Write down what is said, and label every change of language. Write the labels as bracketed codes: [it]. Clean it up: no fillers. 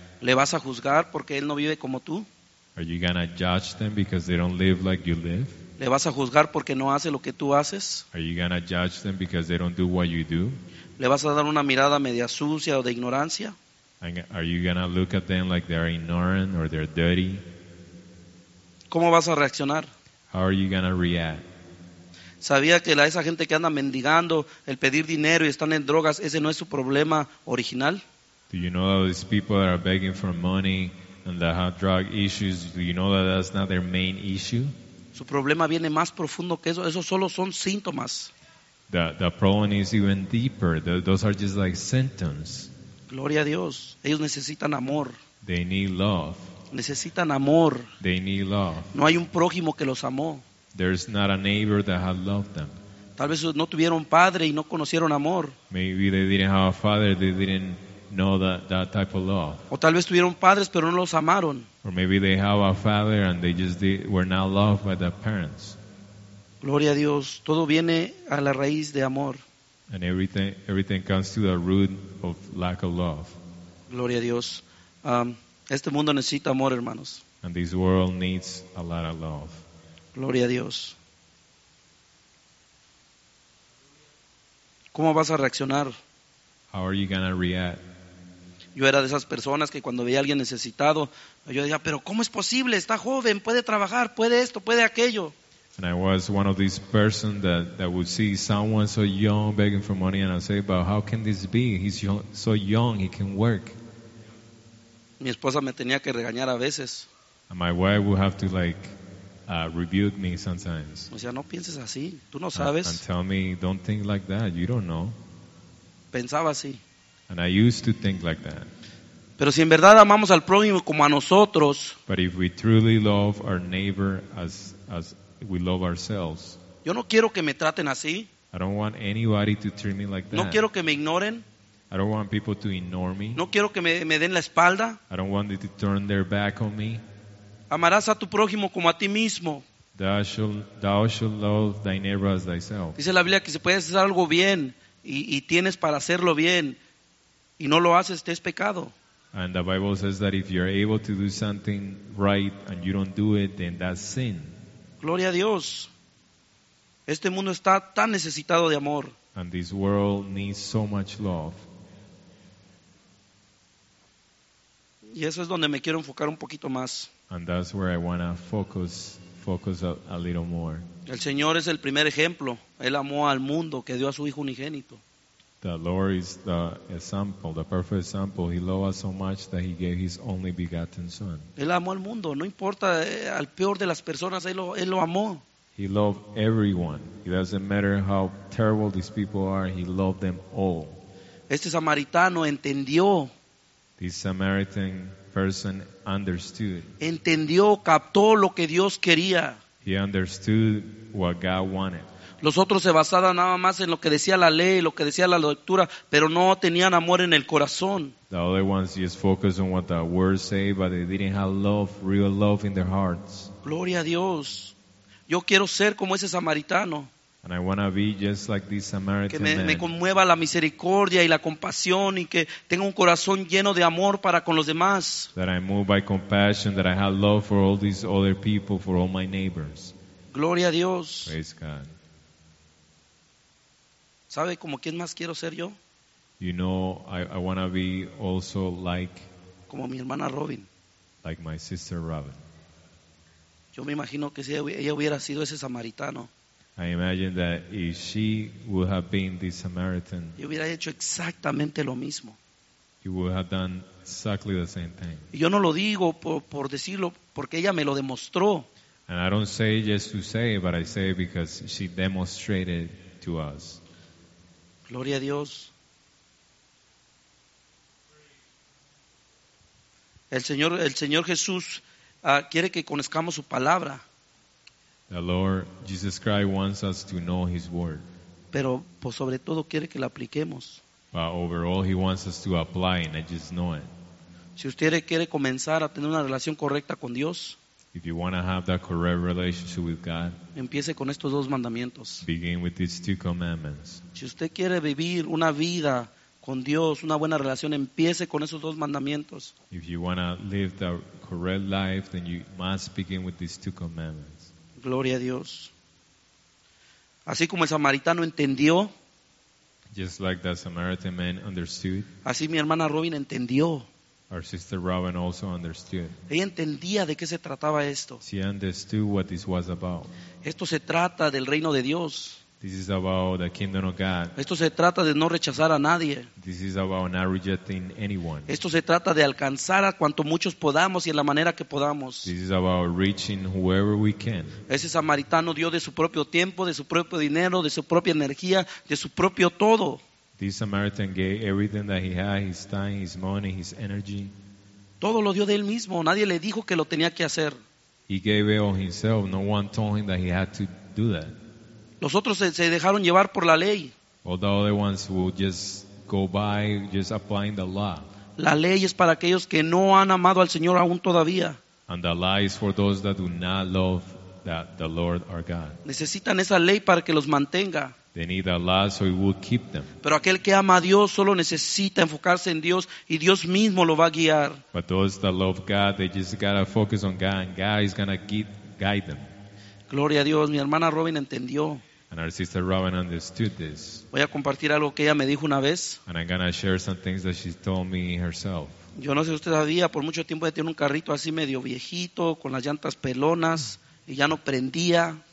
[es] ¿Le vas a juzgar porque él no vive como tú? [en] Are you gonna judge them because they don't live like you live? [es] ¿Le vas a juzgar porque no hace lo que tú haces? [en] Are you gonna judge them because they don't do what you do? [es] ¿Le vas a dar una mirada media sucia o de ignorancia? [en] And are you gonna look at them like they're ignorant or they're dirty? [es] ¿Cómo vas a reaccionar? [en] How are you gonna react? [es] Sabía que la esa gente que anda mendigando, el pedir dinero y están en drogas, ese no es su problema original. [en] Do you know that these people that are begging for money and that have drug issues, do you know that that's not their main issue? [es] Su problema viene más profundo que eso. Esos solo son síntomas. [en] The problem is even deeper. Those are just like symptoms. [es] Gloria a Dios. Ellos necesitan amor. [en] They need love. [es] Necesitan amor. [en] They need love. [es] No hay un prójimo que los amó. [en] There's not a neighbor that had loved them. [es] Tal vez no tuvieron padre y no conocieron amor. [en] Maybe they didn't have a father. They didn't know that type of love. [es] O tal vez tuvieron padres pero no los amaron. [en] Or maybe they have a father and they just were not loved by their parents. [es] Gloria a Dios. Todo viene a la raíz de amor. [en] And everything comes to the root of lack of love. [es] Gloria a Dios. Este mundo necesita amor, hermanos. [en] And this world needs a lot of love. [es] Gloria a Dios. ¿Cómo vas a reaccionar? [en] How are you gonna react? [es] Yo era de esas personas que cuando veía a alguien necesitado, yo decía, pero ¿cómo es posible? Está joven, puede trabajar, puede esto, puede aquello. [en] And I was one of these persons that would see someone so young begging for money and I say, but how can this be? He's young, so young, he can work. [es] Mi esposa me tenía que regañar a veces. [en] And my wife would have to like rebuke me sometimes. [es] O sea, no pienses así, tú no sabes. [en] And tell me, don't think like that, you don't know. [es] Pensaba así. [en] And I used to think like that. [es] Pero si en verdad amamos al prójimo como a nosotros. [en] But if we truly love our neighbor as we love ourselves. [es] Yo no quiero que me traten así. [en] I don't want anybody to treat me like that. [es] No quiero que me ignoren. [en] I don't want people to ignore me. [es] No quiero que me den la espalda. [en] I don't want them to turn their back on me. [es] Amarás a tu prójimo como a ti mismo. [en] Thou shalt love thy neighbor as thyself. [es] Dice la Biblia que si puedes hacer algo bien y tienes para hacerlo bien y no lo haces, te es pecado. [en] And the Bible says that if you're able to do something right and you don't do it, then that's sin. [es] Gloria a Dios. Este mundo está tan necesitado de amor. [en] And this world needs so much love. [es] Y eso es donde me quiero enfocar un poquito más. [en] And that's where I want to focus a little more. [es] El Señor es el primer ejemplo. Él amó al mundo que dio a su Hijo unigénito. [en] The Lord is the example, the perfect example. He loved us so much that He gave His only begotten Son. [es] Él amó al mundo. No importa al peor de las personas, Él lo amó. [en] He loved everyone. It doesn't matter how terrible these people are, He loved them all. [es] Este samaritano entendió. [en] This Samaritan person understood. [es] Entendió, captó lo que Dios quería. [en] He understood what God wanted. [es] Los otros se basaban nada más en lo que decía la ley, lo que decía la lectura, pero no tenían amor en el corazón. [en] The other ones just focused on what the words say, but they didn't have love, real love in their hearts. [es] Gloria a Dios. Yo quiero ser como ese samaritano. [en] And I want to be just like this Samaritan. [es] Que me conmueva la misericordia y la compasión y que tenga un corazón lleno de amor para con los demás. [en] That I move by compassion, that I have love for all these other people, for all my neighbors. [es] Gloria a Dios. [en] Praise God. [es] ¿Sabe como quién más quiero ser yo? [en] You know, I want to be also like... [es] Como mi hermana Robin. [en] Like my sister Robin. [es] Yo me imagino que si ella hubiera sido ese samaritano. [en] I imagine that if she would have been this Samaritan... [es] Yo hubiera hecho exactamente lo mismo. [en] You would have done exactly the same thing. [es] Y yo no lo digo por decirlo, porque ella me lo demostró. [en] And I don't say just to say, but I say because she demonstrated to us. [es] Gloria a Dios. El Señor Jesús quiere que conozcamos su palabra. [en] The Lord Jesus Christ wants us to know His word. [es] Pero pues sobre todo quiere que la apliquemos. [en] But overall He wants us to apply and not just know it. [es] Si usted quiere comenzar a tener una relación correcta con Dios, [en] If you want to have that correct relationship with God, [es] empiece con estos dos mandamientos. [en] Begin with these two commandments. [es] Si usted quiere vivir una vida con Dios, una buena relación, empiece con esos dos mandamientos. [en] If you want to live the correct life, then you must begin with these two commandments. [es] Gloria a Dios. Así como el samaritano entendió, [en] just like that Samaritan man understood, [es] así mi hermana Robin entendió. [en] Our sister Robin also understood. [es] Ella entendía de qué se trataba esto. [en] She understood what this was about. [es] Esto se trata del reino de Dios. [en] This is about the kingdom of God. [es] Esto se trata de no rechazar a nadie. [en] This is about not rejecting anyone. [es] Esto se trata de alcanzar a cuanto muchos podamos y en la manera que podamos. [en] This is about reaching whoever we can. [es] Ese samaritano dio de su propio tiempo, de su propio dinero, de su propia energía, de su propio todo. [en] This Samaritan gave everything that he had, his time, his money, his energy. [es] Todo lo dio de él mismo. Nadie le dijo que lo tenía que hacer. [en] He gave it all himself. No one told him that he had to do that. [es] Los otros se dejaron llevar por la ley. [en] All the other ones will just go by, just applying the law. [es] La ley es para aquellos que no han amado al Señor aún todavía. [en] And the law is for those that do not love the Lord our God. [es] Necesitan esa ley para que los mantenga. [en] They need a law so it will keep them. [es] Pero aquel que ama a Dios solo necesita enfocarse en Dios y Dios mismo lo va a guiar. [en] But those that love God, they just gotta focus on God and God is gonna guide them. [es] Gloria a Dios, mi hermana Robin entendió. [en] And our sister Robin understood this. [es] Voy a compartir algo que ella me dijo una vez. [en] And I'm gonna share some things that she told me herself. [es] Yo no sé si usted sabía, por mucho tiempo ella tenía un carrito así medio viejito, con las llantas pelonas, y ya no prendía.